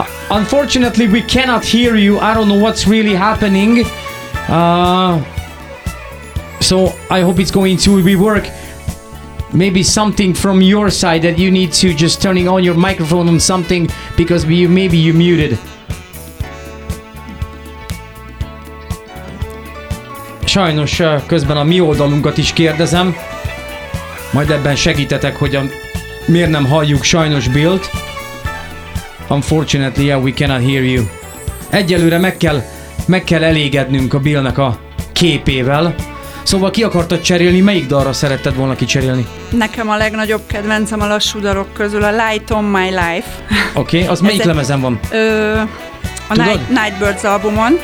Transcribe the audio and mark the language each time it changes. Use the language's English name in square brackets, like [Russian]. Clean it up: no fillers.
[English] Unfortunately, we cannot hear you. I don't know what's really happening. So, I hope it's going to work. Maybe something from your side that you need to just turning on your microphone on something, because maybe you muted. [Hungarian] Sajnos közben a mi oldalunkat is kérdezem, majd ebben segítetek, hogy miért nem halljuk sajnos Billt. [English] Unfortunately, yeah, we cannot hear you. [Hungarian] Egyelőre meg kell elégednünk a Billnek a képével. Szóval ki akartad cserélni, melyik dalra szeretted volna kicserélni? Nekem a legnagyobb kedvencem a lassú dalok közül a Light on My Life. Oké, okay, az melyik lemezen van? A Nightbirds albumon.